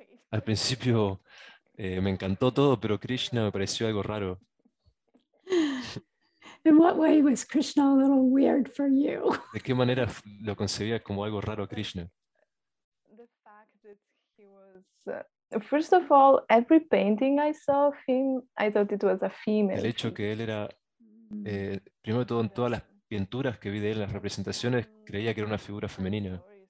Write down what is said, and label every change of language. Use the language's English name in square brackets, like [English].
[Spanish] Al principio me encantó todo, pero Krishna me pareció algo raro. [English] In what way was Krishna a little weird for you? [Spanish] ¿De qué manera lo concebía como algo raro Krishna? [English] The fact that he was, first of all, every painting I saw of him, I thought it was a female. [Spanish] El hecho que él era, primero de todo, en todas las pinturas que vi de él, en las representaciones, creía que era una figura femenina.